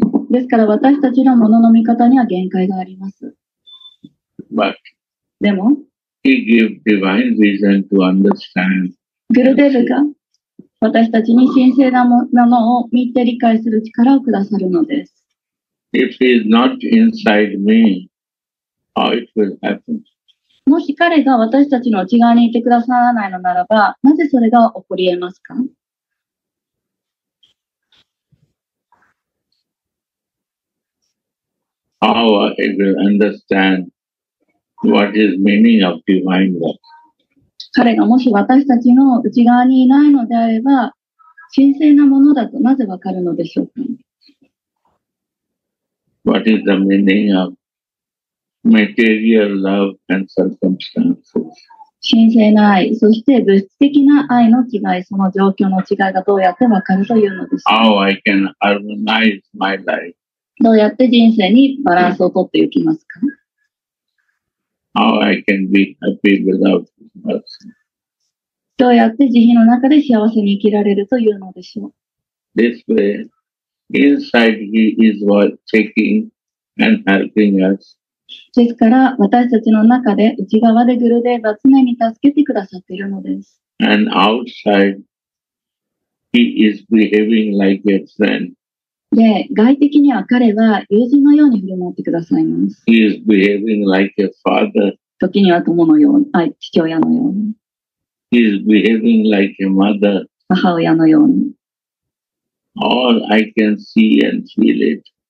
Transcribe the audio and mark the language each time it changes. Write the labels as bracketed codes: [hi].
[ja] ですから私たちのものの見方には限界があります。 [en] But [ja] でも、 [en] He gave divine vision to understand. [ja] グルデヴが私たちに神聖なものを見て理解する力をくださるのです。 [en] If he is not inside me, how it will happen? [ja] もし彼が私たちの内側にいてくださらないのならば、なぜそれが起こり得ますか？ [en] How I will understand what is meaning of divine love? [ja] 彼がもし私たちの内側にいないのであれば、神聖なものだとなぜわかるのでしょうか。 [en] What is the meaning of material love and circumstances? [ja] 神聖な愛、そして物質的な愛の違い、その状況の違いがどうやってわかるというのでしょうか。 [en] How I can harmonize my life? [ja] どうやって人生にバランスをとっていきますか。 [en] How I can be happy without us. [ja] どうやって慈悲の中で幸せに生きられるというのでしょう。 [en] This way, inside he is taking and helping us. [ja] ですから私たちの中で内側でグルデーヴは常に助けてくださっているのです。 [en] And outside, he is behaving like a friend. [ja] で、外的には彼は友人のように振る舞ってくださいます。 [en] He is behaving like a father. [ja] 時には友のように、あ、父親のように。 [en] He is behaving like a mother. [ja] 母親のように。 [en] All I can see and feel it.